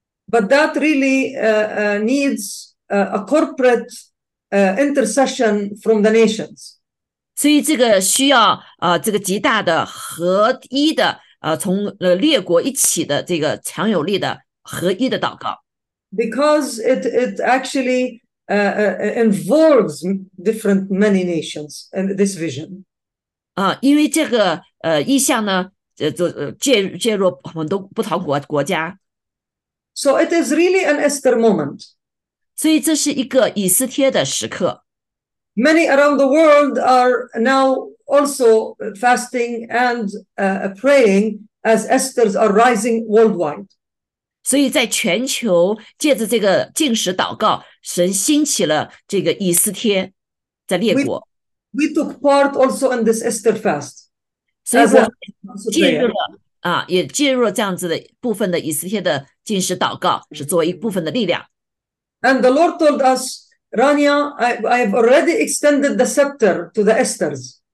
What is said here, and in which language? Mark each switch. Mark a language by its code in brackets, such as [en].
[en] But that really needs a corporate intercession from the nations. [zh] 所以这个需要这个极大的合一的从列国一起的这个强有力的合一的祷告。 [en] Because it actually involves different many nations in this vision. [zh] 因为这个意象呢，介入很多不同国家。 [en] So it is really an Esther moment. [zh] 所以这是一个以斯帖的时刻。 [en] Many around the world are now also fasting and praying as Esthers are rising worldwide. [zh] 所以在全球借着这个禁食祷告，神兴起了这个以斯帖在列国。 [en] We took part also in this Esther fast. [zh] 所以我进入了。也介入了这样子的部分的以斯帖的禁食祷告，是作为一部分的力量。 [en] And the Lord told us, Rania, I have already extended the scepter to the Esthers.